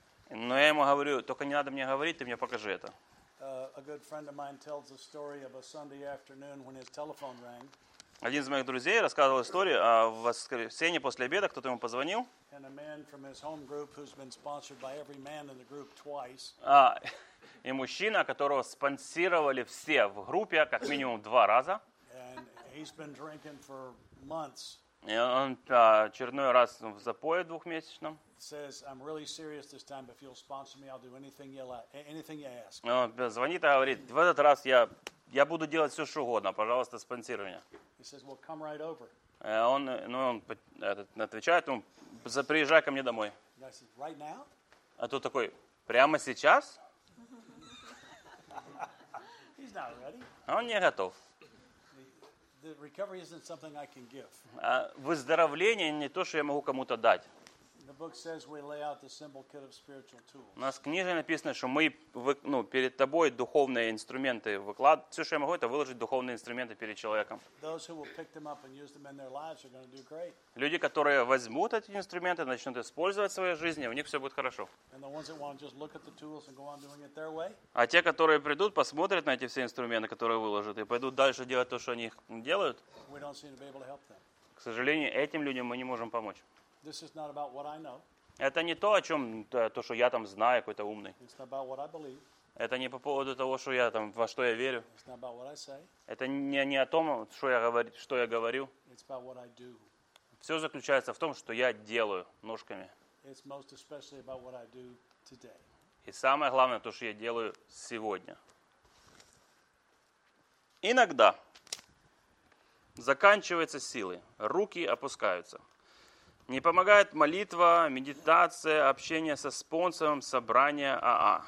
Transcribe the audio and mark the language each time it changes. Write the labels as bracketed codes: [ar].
[ru] Но я ему говорю, только не надо мне говорить, ты мне покажи это. [en] A good friend of mine tells the story of a Sunday afternoon when his telephone rang. [ru] Один из моих друзей рассказывал историю, а в воскресенье после обеда кто-то ему позвонил. [en] And a man from his home group who's been sponsored by every man in the group twice. [ru] И мужчина, которого спонсировали все в группе как минимум два раза. [en] And he's been drinking for months. [ru] И он очередной раз в запое двухмесячном. [en] Says I'm really serious this time. If you'll sponsor me, I'll do anything you like, anything you ask. [ru] Он звонит и говорит: в этот раз я буду делать все, что угодно. Пожалуйста, спонсируй меня. [en] He says, "Well, come right over." [ru] Он отвечает ему: приезжай ко мне домой. [en] I said, "Right now?" [ru] А тот такой: прямо сейчас? [en] He's not ready. [ru] Он не готов. [en] The recovery isn't something I can give. [ru] Выздоровление не то, что я могу кому-то дать. [en] The book says we lay out the symbol kit of spiritual tools. [ru] У нас в книге написано, что мы, перед тобой духовные инструменты выкладываем. Все, что я могу, это выложить духовные инструменты перед человеком. [en] Those who will pick them up and use them in their lives are going to do great. [ru] Люди, которые возьмут эти инструменты, начнут использовать в своей жизни, у них все будет хорошо. [en] And the ones that want to just look at the tools and go on doing it their way. [ru] А те, которые придут, посмотрят на эти все инструменты, которые выложат, и пойдут дальше делать то, что они делают. [en] We don't seem to be able to help them. [ru] К сожалению, этим людям мы не можем помочь. [en] This is not about what I know. [ru] Это не то, о чем то, что я там знаю, какой-то умный. [en] It's not about what I believe. [ru] Это не по поводу того, что я там во что я верю. [en] It's not about what I say. [ru] Это не о том, что я говорю. [en] It's about what I do. [ru] Все заключается в том, что я делаю ножками. [en] It's most especially about what I do today. [ru] И самое главное то, что я делаю сегодня. Иногда заканчиваются силы, руки опускаются. Не помогает молитва, медитация, общение со спонсором, собрание АА.